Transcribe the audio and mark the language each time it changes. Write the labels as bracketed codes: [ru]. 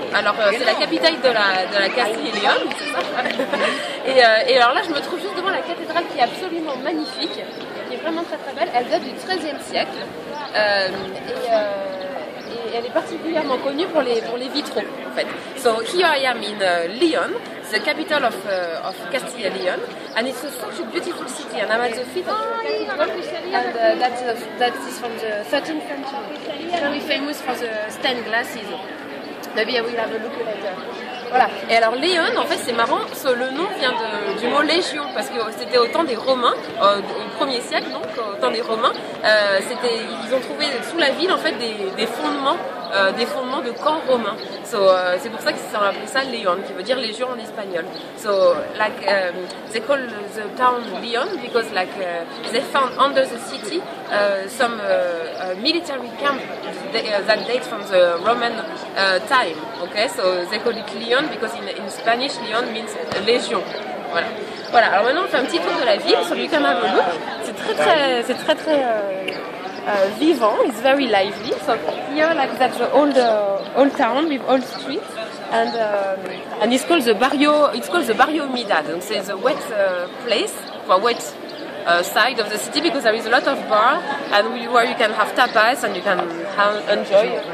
[fr] Alors, c'est la capitale de la Castille et León, c'est ça? Et alors là, je me trouve juste devant la cathédrale qui est absolument magnifique, qui est vraiment très très belle. Elle date du 13e siècle. Et elle est particulièrement connue pour les vitraux, en fait. [en] So, here I am in León. The capital of Castile and Leon, and it's a such a beautiful city, and I'm at the feet of the cathedral, and that is from the 13th century, very famous for the stained glasses. Maybe I will have a look later. [fr] Voilà. Et alors Leon, en fait, c'est marrant, le nom vient du mot légion, parce que c'était au temps des Romains, au 1er siècle, donc, au temps des Romains, ils ont trouvé sous la ville, en fait, des fondements de camps romains. So, c'est pour ça qu'ils ont appelé ça León, qui veut dire légion en espagnol. [en] So, like, they call the town León because like, they found under the city some military camp that dates from the Roman time. Okay? So, they call it León because in Spanish, León means légion. [fr] Voilà. Voilà, alors maintenant on fait un petit tour de la ville sur le canal Loup. C'est très vivant, [en] it's very lively. So here, like that's the old town with old streets, and it's called the Barrio Humidad. It's the wet place, well, wet side of the city, because there is a lot of bar and where you can have tapas and you can enjoy.